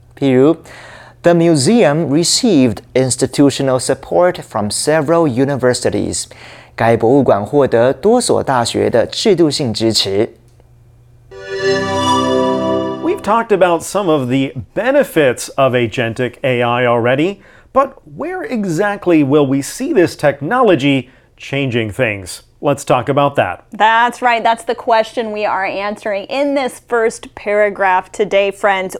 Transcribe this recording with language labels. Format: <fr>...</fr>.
<zh>譬如</zh> <en>The museum received institutional support from several universities.</en> <zh>该博物馆获得多所大学的制度性支持。</zh> <en>Talked about some of the benefits of agentic AI already, but where exactly will we see this technology changing things? Let's talk about that. That's right. That's the question we are answering in this first paragraph today, friends.</en>